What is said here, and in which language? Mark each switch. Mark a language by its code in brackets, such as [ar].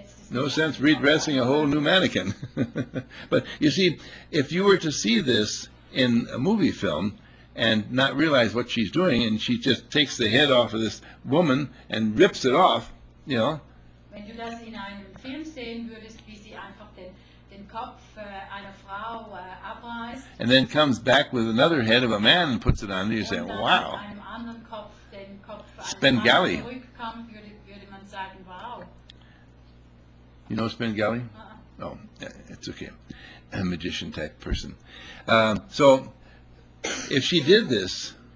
[en] No sense redressing a whole new mannequin. But you see, if you were to see this in a movie film and not realize what she's doing, and she just takes the head off of this woman and rips it off, you know. [de] Wenn du das in einem Film sehen würdest, wie sie einfach den Kopf einer Frau abreißt. [en] And then comes back with another head of a man and puts it on, you say, wow. [de] Einem anderen Kopf, den Kopf Spengali. Würde man sagen, wow. [en] You know Spengali? Uh-uh. Oh, it's okay. A magician type person. So, if she did this,